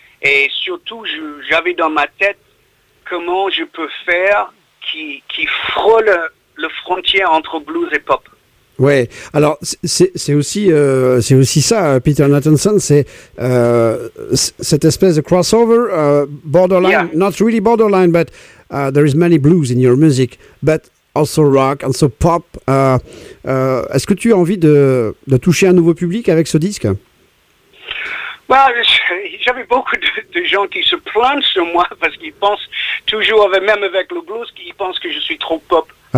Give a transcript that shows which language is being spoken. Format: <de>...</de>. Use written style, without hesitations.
<fr>Et surtout, j'avais dans ma tête comment je peux faire qui frôle le frontière entre blues et pop. Ouais. Alors c'est aussi ça, Peter Nathanson, c'est cette espèce de crossover, borderline, yeah.</fr> <en>Not really borderline, but there is many blues in your music, but also rock, also pop.</en> <fr>Est-ce que tu as envie de toucher un nouveau public avec ce disque? Well, j'avais beaucoup de gens qui se plaignent sur moi parce qu'ils pensent toujours, même avec le blues, qu'ils pensent que je suis trop pop.</fr>